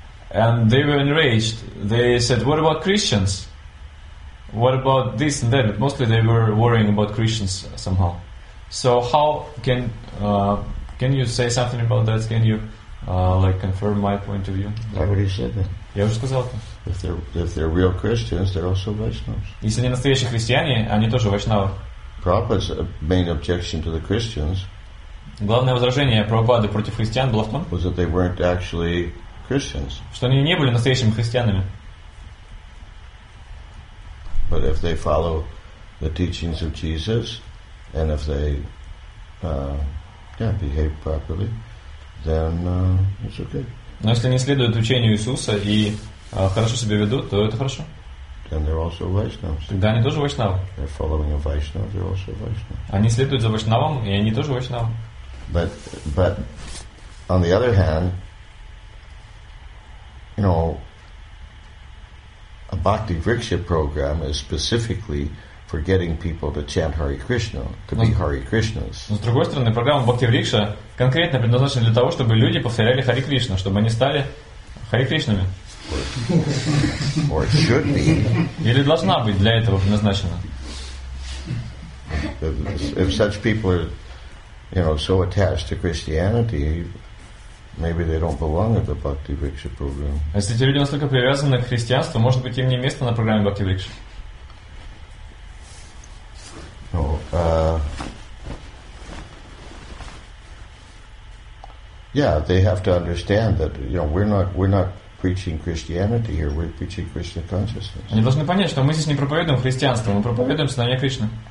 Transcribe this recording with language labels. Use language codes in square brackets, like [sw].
[en] And they were enraged. They said, what about Christians? What about this and that? But mostly they were worrying about Christians somehow. So how can you say something about that? Can you like confirm my point of view? I already said that. [ru] Я уже сказал это. [en] If they're real Christians, they're also Vaishnavas. [ru] Если они настоящие христиане, они тоже вайшнавы. [en] Prabhupada's main objection to the Christians. [ru] Главное возражение Прабхупады против христиан было в том, [en] was that they weren't actually Christians. [ru] Что они не были настоящими христианами. [en] But if they follow the teachings of Jesus, and if they behave properly, then it's okay. [ru] Но если они следуют учению Иисуса и хорошо себя ведут, то это хорошо. [en] Then they're also Vaishnavas. [ru] Тогда они тоже вайшнавы. [en] They're following a Vaishnava, they're also Vaishnavas. [ru] Они следуют за вайшнавом, и они тоже вайшнавы. [en] But on the other hand, you know, a Bhakti Vriksha program is specifically for getting people to chant Hare Krishna, to be Hare Krishnas. [ru] Но с другой стороны, программа Бхакти Врикша конкретно предназначена для того, чтобы люди повторяли Хари Кришну, чтобы они стали Хари Кришнами. [en] Or should be. [ru] Или должна быть для этого предназначена. [en] If such people are, you know, so attached to Christianity, maybe they don't belong at the Bhakti Vriksha program. [ru] Если эти люди настолько привязаны к христианству, может быть, им не место на программе Бхакти Врикша. [en] They have to understand that, you know, we're not preaching Christianity here. We're preaching Krishna consciousness. [ru] Они должны понять, что мы здесь не проповедуем христианство, мы проповедуем сознание Кришны.